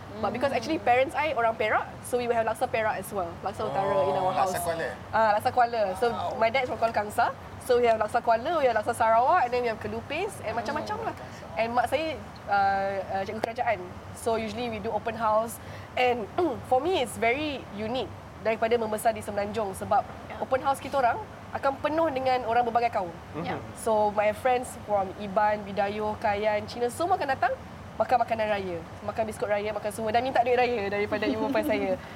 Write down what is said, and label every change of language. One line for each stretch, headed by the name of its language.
English: But because actually parents I
Malay: orang Perak,
English: so we will have laksa Perak as well. Laksa utara in our house. Laksa Kuala. So my dad's from Kuala Kangsar. So we have laksa Kuala, we have laksa Sarawak, and then we have kelupis and
Malay: macam-macam lah. And mak saya cikgu kerajaan.
English: So usually we do open house. And for me it's very unique
Malay: daripada membesar di Semenanjung, sebab open house kita orang akan penuh dengan orang berbagai kaum.
English: So my friends from
Malay: Iban, Bidayuh, Kayan, Cina, semua akan datang makan makanan raya, makan biskut raya, makan semua, dan minta duit raya daripada ibu bapa saya.